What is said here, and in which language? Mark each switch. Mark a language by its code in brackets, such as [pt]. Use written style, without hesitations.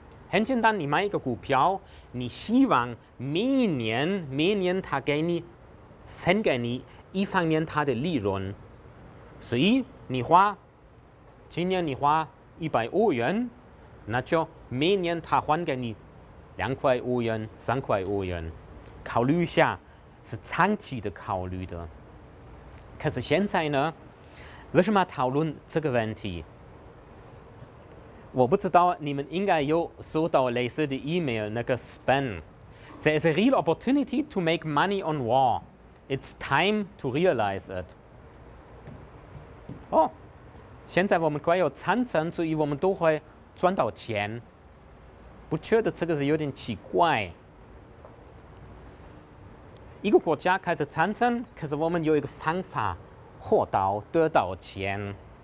[zh] 很简单，你买一个股票，你希望每年他给你分给你一方面他的利润，所以你花今年你花100欧元，那就每年他还给你2块欧元、3块欧元。考虑一下，是长期的考虑的。可是现在呢？为什么讨论这个问题？我不知道你们应该有收到类似的 email， 那个 spam。 [en] There is a real opportunity to make money on war. It's time to realize it. [zh] 现在我们快要参政，所以我们都会赚到钱。不觉得这个是有点奇怪？一个国家开始产生，可是我们有一个方法获到得到钱。